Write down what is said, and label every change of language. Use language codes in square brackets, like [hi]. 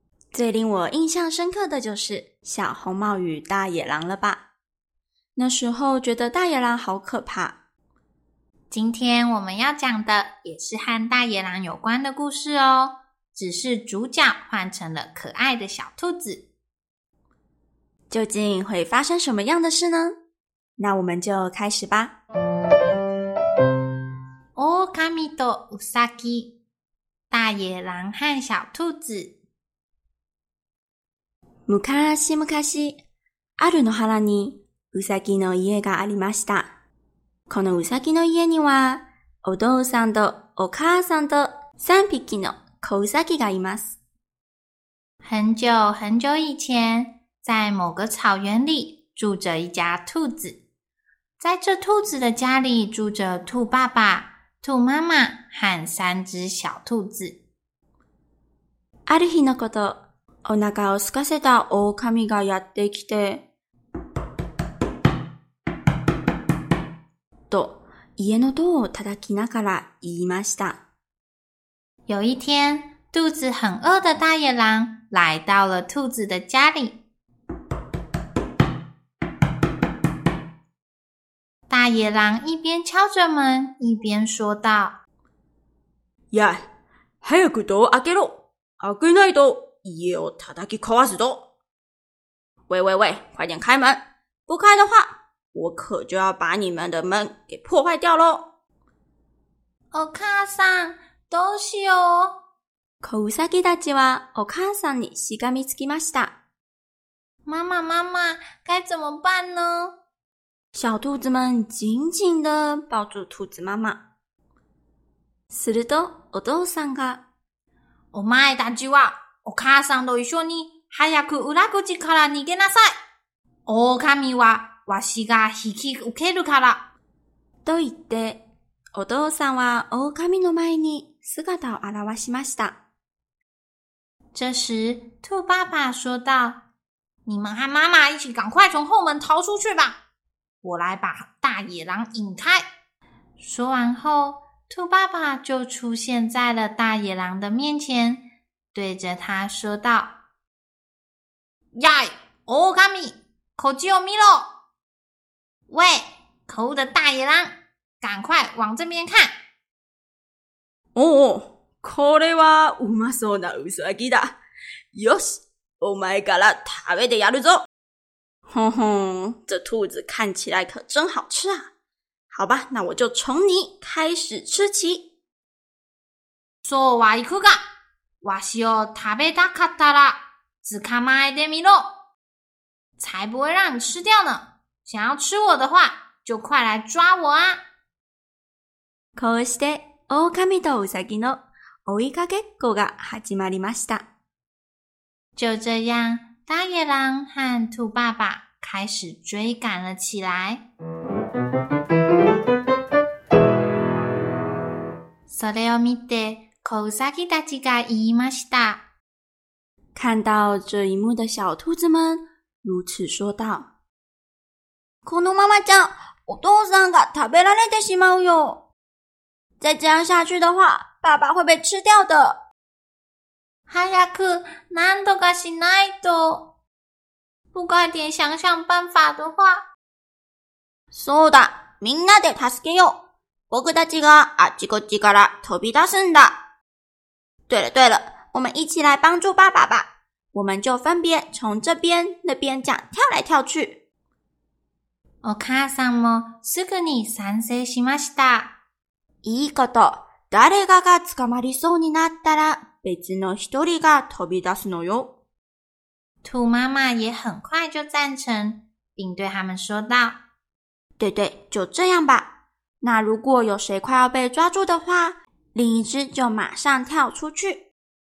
[zh] 最令我印象深刻的就是小红帽与大野狼了吧，那时候觉得大野狼好可怕。今天我们要讲的也是和大野狼有关的故事哦，只是主角换成了可爱的小兔子。究竟会发生什么样的事呢？那我们就开始吧。 [ja] オオカミとウサギ， [zh] 大野狼和小兔子。 [ja] 昔昔、あるの原にウサギの家がありました。このウサギの家にはお父さんとお母さんと三匹の子ウサギがいます。 [zh] 很久很久以前。在某个草原里住着一家兔子，在这兔子的家里住着兔爸爸、兔妈妈和三只小兔子。 [ja] ある日のこと、お腹を空かせた狼がやってきて、と家のドアを叩きながら言いました。 [zh] 有一天，肚子很饿的大野狼来到了兔子的家里。大野狼一边敲着门，一边说道：“ [ja] 呀，早くドア開けろ。開けないと家を叩き壊すぞ。” [zh] 喂喂喂，快点开门！不开的话，我可就要把你们的门给破坏掉喽。 [ja] お母さん、どうしよう？子ウサギたちはお母さんにしがみつきました。 [zh] 妈妈妈妈，该怎么办呢？小兔子们紧紧地抱住兔子妈妈。 [ja] するとお父さんが、お前たちはお母さんと一緒に早く裏口から逃げなさい。狼はわしが引き受けるから。と言って、お父さんは狼の前に姿を現しました。 [zh] 这时、兔爸爸说道、你们和妈妈一起赶快从后门逃出去吧。我来把大野狼引开。说完后，兔爸爸就出现在了大野狼的面前，对着他说道：“ 呀，オオカミ，口吉欧米罗，喂，可恶的大野狼，赶快往这边看。” [ja] 哦，これはうまそうなウサギだ。よし、お前から食べてやるぞ。 [zh] 哼哼，这兔子看起来可真好吃啊。好吧，那我就从你开始吃起。 [ja] そうはいくが、わしを食べたかったら、捕まえてみろ。 [zh] 才不会让你吃掉呢。想要吃我的话、就快来抓我啊。 [ja] こうして、狼とウサギの追いかけっこが始まりました。 [zh] 就这样。大野狼和兔爸爸开始追赶了起来。 [ja] それを見て、子ウサギたちが言いました。 [zh] 看到这一幕的小兔子们如此说道： [ja] このままじゃ、お父さんが食べられてしまうよ。 [zh] 再这样下去的话，爸爸会被吃掉的。 [ja] 早く何とかしないと。 [zh] 不快点想想办法的话。 [ja] そうだ、みんなで助けよう。僕たちがあっちこっちから飛び出すんだ。 [zh] 对了对了，我们一起来帮助爸爸吧。我们就分别从这边、那边这样跳来跳去。 [ja] お母さんもすぐに賛成しました。いいこと、誰かが捕まりそうになったら、別の一人が飛び出すのよ。 [zh] 兔妈妈也很快就赞成，并对他们说道： 对对，就这样吧。那如果有谁快要被抓住的话，另一只就马上跳出去。